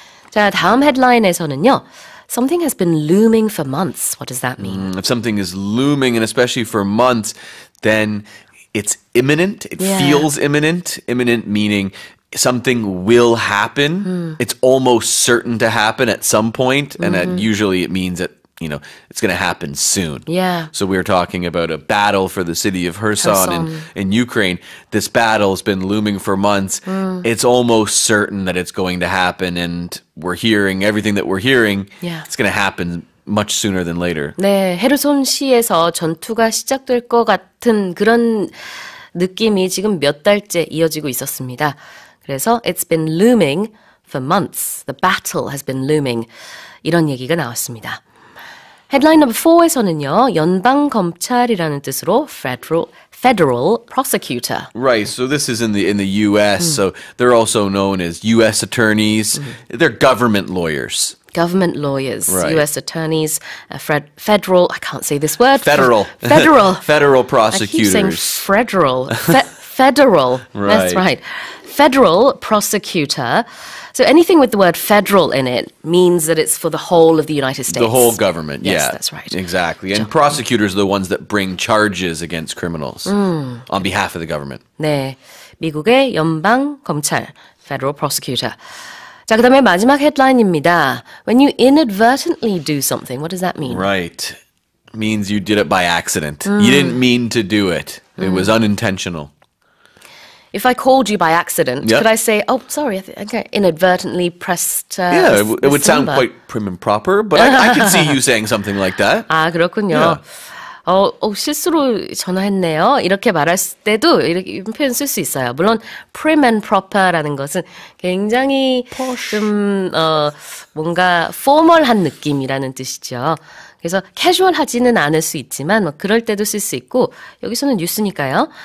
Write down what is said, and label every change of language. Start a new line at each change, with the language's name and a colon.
Korean: 자, 다음 헤드라인에서는요.
English: Something has been looming for months. What does that mean? If something is looming, and especially for months, then it's imminent. It yeah. feels imminent. Imminent meaning something will happen. Mm. It's almost certain to happen at some point, and usually it means at you know, it's going to happen soon. Yeah. So we were talking about a battle for the city of Kherson in Ukraine. This battle has been looming for months. Mm. It's almost certain that it's going to happen. And we're hearing everything that we're hearing. Yeah. It's going to happen much sooner than later.
Korean: 네, 헤르손시에서 전투가 시작될 것 같은 그런 느낌이 지금 몇 달째 이어지고 있었습니다. 그래서
English: it's been looming for months. The battle has been looming.
Korean: 이런 얘기가 나왔습니다.
English: Headline number 4에서는요,
Korean: 연방검찰이라는 뜻으로
English: federal prosecutor. Right, so this is in the U.S., so they're also known as U.S. attorneys. They're government lawyers. Government lawyers, right. U.S. attorneys, federal, I can't say this word. Federal. Federal. Federal prosecutors. I keep saying federal. federal. Right. That's right. Federal prosecutor. So anything with the word federal in it means that it's for the whole of the United States. The whole government, yes, yeah. Yes, that's right. Exactly. And prosecutors are the ones that bring charges against criminals on behalf of the government.
Korean: 네. 미국의 연방검찰,
English: federal prosecutor.
Korean: 자, 그 다음에 마지막 헤드라인입니다.
English: When you inadvertently do something, what does that mean? Right. Means you did it by accident. Mm. You didn't mean to do it. Mm. It was unintentional. If I called you by accident, yep. could I say, oh, sorry, okay, inadvertently pressed Yeah, it would sound quite prim and proper, but I can see you saying something like that.
Korean: 아, 그렇군요.
English: Yeah.
Korean: 실수로 전화했네요. 이렇게 말할 때도 이렇게 표현 쓸 수 있어요. 물론
English: prim and proper
Korean: 라는 것은 굉장히
English: Posh.
Korean: 좀 뭔가 formal한 느낌이라는 뜻이죠. 그래서 casual하지는 않을 수 있지만 뭐 그럴 때도 쓸 수 있고 여기서는 뉴스니까요.